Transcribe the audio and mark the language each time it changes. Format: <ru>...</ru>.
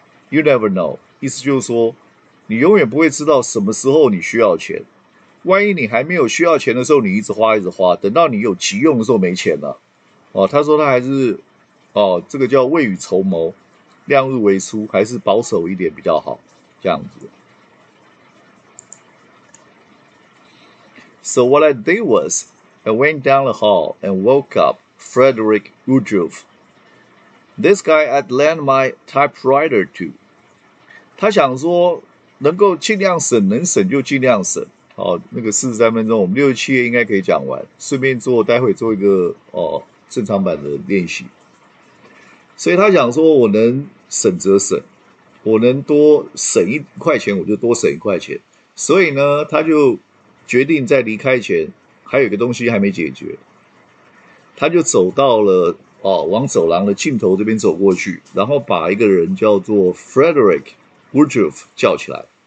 <en>You never know，</en> <zh>意思就是说，你永远不会知道什么时候你需要钱。万一你还没有需要钱的时候，你一直花一直花，等到你有急用的时候没钱了。哦，他说他还是，哦，这个叫未雨绸缪，量入为出，还是保守一点比较好，这样子。</zh> <en>So what I did was, I went down the hall and woke up Frederick Woodruff. This guy I'd lend my typewriter to.</en> <zh>他想说能够尽量省，能省就尽量省。哦，那个43分钟，我们67页应该可以讲完，顺便做，待会做一个哦。正常版的练习，所以他讲说我能省则省，我能多省一块钱我就多省一块钱，所以呢他就决定在离开前还有一个东西还没解决，他就走到了哦，往走廊的尽头这边走过去，然后把一个人叫做 Frederick Woodruff 叫起来。</zh>